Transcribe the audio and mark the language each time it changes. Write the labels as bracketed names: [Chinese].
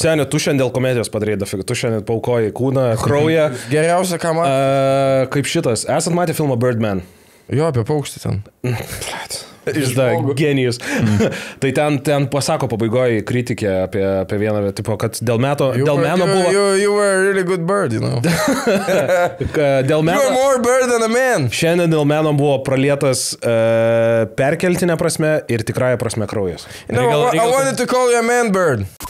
[Lithuanian] Senio, tu šiandien dėl komedijos padarėjai dafiga, tu šiandien paukoji kūną, kraują. Geriausia, ką man. Kaip šitas, esat matę filmą Birdman? Jo, apie paukštį ten. Išda, genijus. Tai ten pasako pabaigoji kritikė apie vieną, tipo, kad dėl meto, dėl meno buvo... [English] You were a really good bird, you know. [Lithuanian] Dėl meno, [English] you are more bird than a man. [Lithuanian] Šiandien dėl meno buvo pralietas perkeltinė prasme ir tikraja prasme kraujas. [English] No, I wanted to call you a man bird.